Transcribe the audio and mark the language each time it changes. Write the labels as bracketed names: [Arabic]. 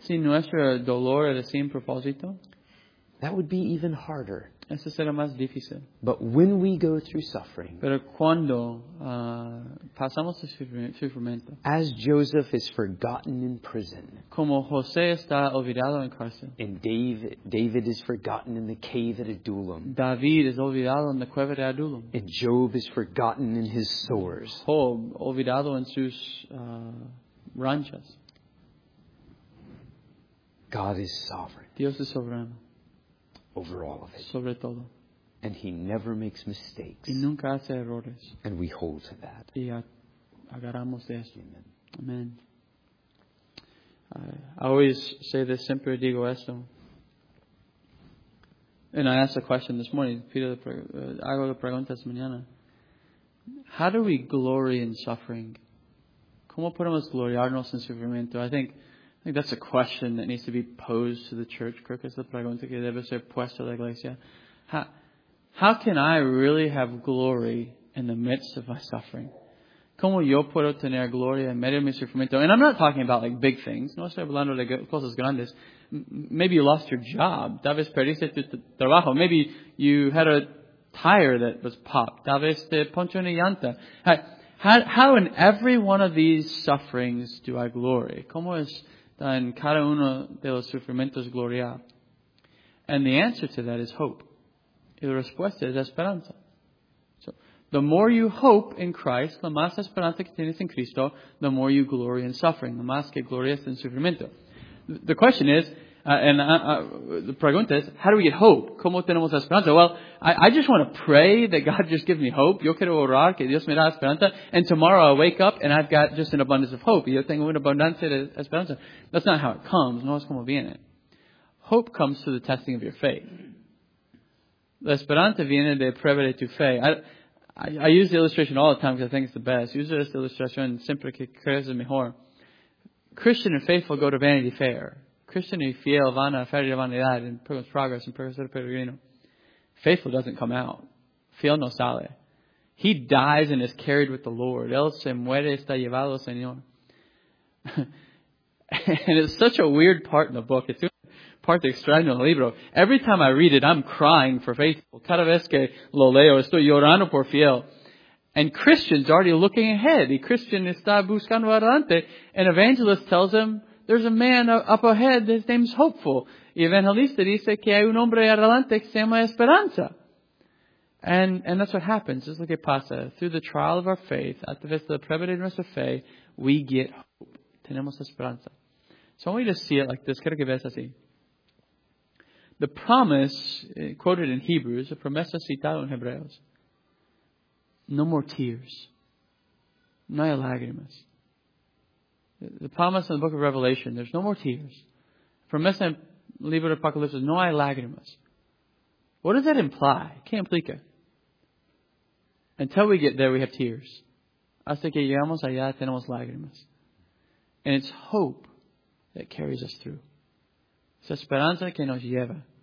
[Spanish] Si nuestro dolor era sin propósito. [English] That would be even harder. [Spanish] Eso será más difícil. [English] But when we go through suffering. [Spanish] Pero cuando pasamos el sufrimiento. [English] As Joseph is forgotten in prison. [Spanish] Como José está olvidado en cárcel. [English] And David is forgotten in the cave at Adullam. [Spanish] David es olvidado en la cueva de Adullam. [English] And Job is forgotten in his sores. [Spanish] Job olvidado en sus ranchas. [English] God is sovereign. [Spanish] Dios es soberano. [English] Over all of it. [Spanish] Sobre todo. [English] And He never makes mistakes. [Spanish] Y nunca hace errores. [English] And we hold to that. [Spanish] Y agarramos de eso. [English] Amen. Amen. I always say this, [Spanish] siempre digo esto. [English] And I asked a question this morning. [Spanish] Peter, hago la pregunta esta mañana. [English] How do we glory in suffering? [Spanish] ¿Cómo podemos gloriarnos en sufrimiento? [English] I think that's a question that needs to be posed to the church. [Spanish] Creo que es la pregunta que debe ser puesta a la iglesia. [English] How can I really have glory in the midst of my suffering? [Spanish] ¿Cómo yo puedo tener gloria en medio de mi sufrimiento? [English] And I'm not talking about like big things. [Spanish] No estoy hablando de cosas grandes. [English] Maybe you lost your job. [Spanish] Tal vez perdiste tu trabajo. [English] Maybe you had a tire that was popped. [Spanish] Tal vez te ponchó una llanta. [English] How in every one of these sufferings do I glory? [Spanish] ¿Cómo es en cada uno de los sufrimientos gloria? [English] And the answer to that is hope. [Spanish] Y la respuesta es esperanza. [English] So, the more you hope in Christ, [Spanish] la más esperanza que tienes en Cristo, [English] the more you glory in suffering, [Spanish] la más que glorias en sufrimiento. [English] The question is, the [Spanish] pregunta es, [English] how do we get hope? [Spanish] ¿Cómo tenemos esperanza? [English] Well, I just want to pray that God just gives me hope. [Spanish] Yo quiero orar que Dios me da esperanza. [English] And tomorrow I wake up and I've got just an abundance of hope. [Spanish] Yo tengo una abundancia de esperanza. [English] That's not how it comes. [Spanish] No es como viene. [English] Hope comes through the testing of your faith. [Spanish] La esperanza viene de prueba de tu fe. [English] I use the illustration all the time because I think it's the best. Use this illustration [Spanish] siempre que crees es mejor. [English] Christian and faithful go to Vanity Fair. [Spanish] Christian y fiel van a Feria de Vanidad en Pilgrim's Progress and Progreso de Peregrino. [English] Faithful doesn't come out. [Spanish] Fiel no sale. [English] He dies and is carried with the Lord. [Spanish] Él se muere, está llevado, Señor. [English] And it's such a weird part in the book. [Spanish] It's una parte extraña en el libro. [English] Every time I read it, I'm crying for faithful. [Spanish] Cada vez que lo leo, estoy llorando por fiel. [English] And Christian's already looking ahead. [Spanish] Y Christian está buscando adelante. [English] And evangelist tells him, there's a man up ahead, his name's Hopeful. [Spanish] Y Evangelista dice que hay un hombre adelante que se llama Esperanza. [English] And that's what happens. [Spanish] Es lo que pasa. [English] Through the trial of our faith, [Spanish] a través de la prueba de nuestra fe, [English] we get hope. [Spanish] Tenemos esperanza. [English] So I want you to see it like this. [Spanish] Quiero que veas así. [English] The promise, quoted in Hebrews, [Spanish] la promesa citada en Hebreos. [English] No more tears. [Spanish] No hay lágrimas. [English] The promise in the book of Revelation, there's no more tears. [Spanish] Promesa en el libro de Apocalipsis, no hay lágrimas. [English] What does that imply? [Spanish] ¿Qué implica? [English] Until we get there, we have tears. [Spanish] Hasta que llegamos allá, tenemos lágrimas. [English] And it's hope that carries us through. [Spanish] Es esperanza que nos lleva.